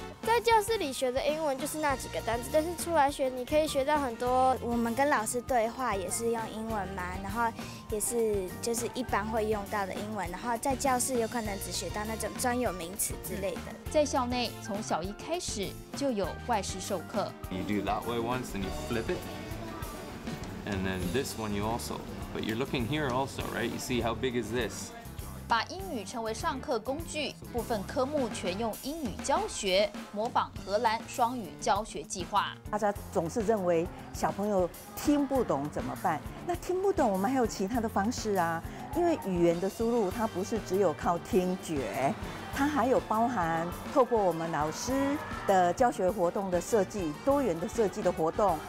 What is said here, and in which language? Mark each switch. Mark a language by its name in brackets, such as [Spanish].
[Chinese] 在教室里学的英文就是那几个单词，但是出来学你可以学到很多。我们跟老师对话也是用英文嘛，然后也是就是一般会用到的英文，然后在教室有可能只学到那种专有名词之类的。在校内从小一开始就有外师授课。 [English] You do that way once, then you flip it, and then this one you also. But you're looking here also, right? You see how big is this? [Chinese] 把英语成为上课工具，部分科目全用英语教学，模仿荷兰双语教学计划。大家总是认为小朋友听不懂怎么办？那听不懂，我们还有其他的方式啊。因为语言的输入，它不是只有靠听觉，它还有包含透过我们老师的教学活动的设计，多元的设计的活动，